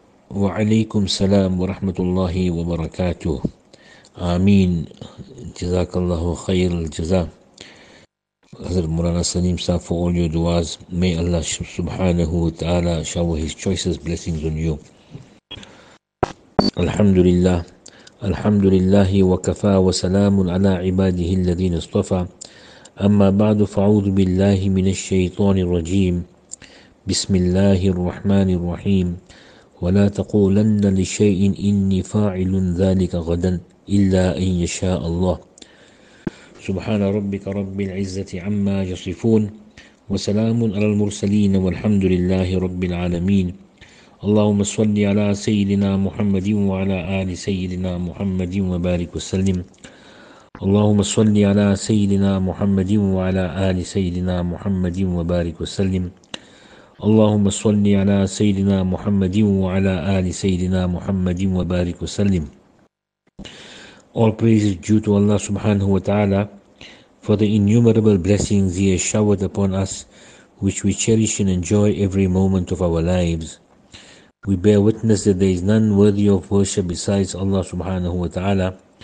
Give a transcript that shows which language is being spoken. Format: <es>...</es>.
<ar>وعليكم السلام ورحمة الله وبركاته. آمين. جزاك الله خير الجزاء.</ar> <en>حضرت مولانا سليم صاحب for all your duas. May Allah سبحانه وتعالى shower his choicest blessings on you.</en> <ar>الحمد لله. الحمد لله وكفى وسلام على عباده الذين اصطفى. أما بعد فأعوذ بالله من الشيطان الرجيم. بسم الله الرحمن الرحيم. ولا تقولن لشيء إني فاعل ذلك غدا إلا أن يشاء الله. سبحان ربك رب العزة عما يصفون وسلام على المرسلين والحمد لله رب العالمين. اللهم صل على سيدنا محمد وعلى آل سيدنا محمد وبارك وسلم. اللهم صل على سيدنا محمد وعلى آل سيدنا محمد وبارك وسلم. اللهم صل على سيدنا محمد وعلى آل سيدنا محمد وبارك وسلم.</ar> <en>All praise is due to Allah subhanahu wa ta'ala for the innumerable blessings He has showered upon us, which we cherish and enjoy every moment of our lives. We bear witness that there is none worthy of worship besides Allah subhanahu wa ta'ala.</en>